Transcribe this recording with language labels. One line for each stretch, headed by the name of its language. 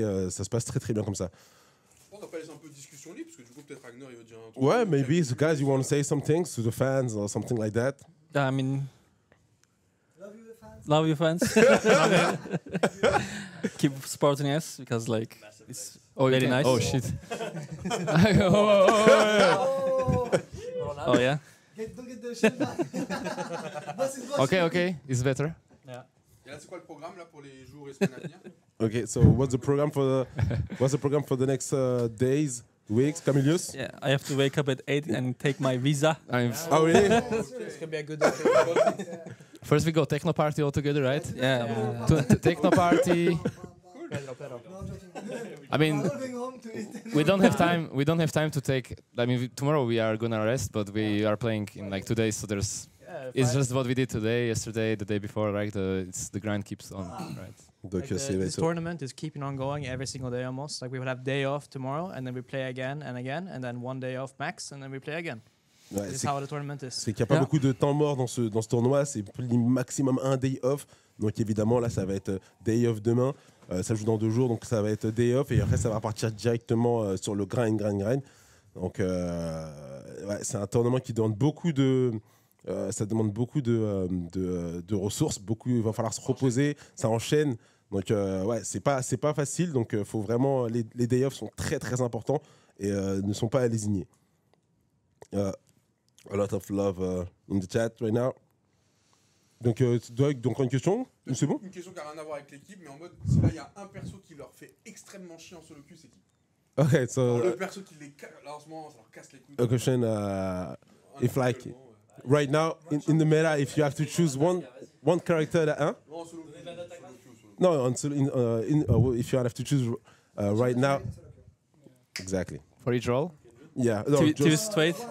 French: Ça se passe très très bien comme ça. On va laisser un peu de discussion libre, parce que du coup, peut-être Ragnar, il va dire un truc. Ouais,
English: maybe the guys, you want to say something to the fans or something like that. I mean. Love you, fans. Keep supporting us, because like. It's very nice. Oh shit. Oh yeah. Okay, it's better. Yeah.
French: c'est quoi le programme là pour les jours et semaines à venir?
English: Okay, so what's the program for the next days, weeks, Camilius? Yeah, I have to wake up at 8 and take my visa. Oh, really? It's gonna be a good day. First we go techno party all together, right? Yeah. Techno party. I mean, we don't have time. We don't have time to take. I mean, tomorrow we are gonna rest, but we are playing in like 2 days. So there's, it's just what we did today, yesterday, the day before, right? It's the grind keeps on, right? Like this tournament is keeping on going every single day almost. Like we will have day off tomorrow, and then we play again and again, and then one day off max, and then we play again.
French: Ouais,
English: this is how the tournament is.
French: C'est qu'il y a pas beaucoup de temps mort dans ce tournoi. C'est maximum un day off. Donc évidemment, là, ça va être day off demain. Ça joue dans deux jours, donc ça va être day off. Et après, ça va repartir directement sur le grind. Donc, ouais, c'est un tournoi qui demande beaucoup de... ça demande beaucoup de ressources. Beaucoup, il va falloir se reposer. Ça enchaîne. Donc, ouais, c'est pas facile. Donc, faut vraiment... Les day off sont très, très importants et ne sont pas à lésigner.
English: A lot of love in the chat right now.
French: Donc, Doug, donc une question? C'est bon? Une question qui n'a rien à voir avec l'équipe, mais en mode, si là il y a un perso qui leur fait extrêmement chier en solo queue, c'est qui?
English: Ok, so.
French: Alors, le perso qui les casse, là en ce moment, ça leur casse les couilles.
English: A question, if like, right now, in the meta, if you have to choose one character that, hein?
French: Non, en solo queue. Non, en solo queue.
English: If you have to choose right now. Exactly. For each role? Yeah, no, Twist Faith.